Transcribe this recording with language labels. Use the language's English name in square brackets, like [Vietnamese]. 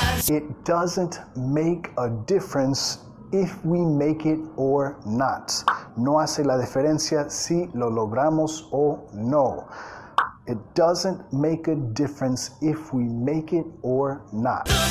[English] It doesn't make a difference if we make it or not. [Spanish] No hace la diferencia si lo logramos o no. [English] It doesn't make a difference if we make it or not.